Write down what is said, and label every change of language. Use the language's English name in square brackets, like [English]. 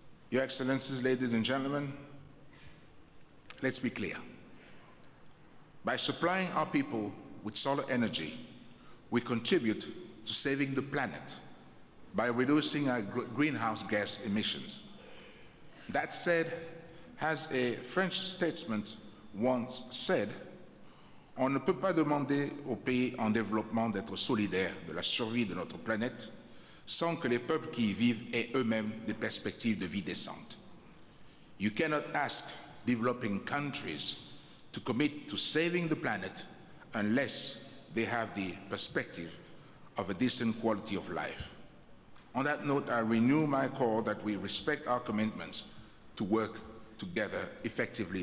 [English] Your Excellencies, ladies and gentlemen, let's be clear. By supplying our people with solar energy, we contribute to saving the planet by reducing our greenhouse gas emissions. That said, as a French statesman once said, [French] on ne peut pas demander aux pays en développement d'être solidaires de la survie de notre planète sans que les peuples qui y vivent aient eux-mêmes des perspectives de vie décente. [English] You cannot ask developing countries to commit to saving the planet unless they have the perspective of a decent quality of life. On that note, I renew my call that we respect our commitments to work together effectively.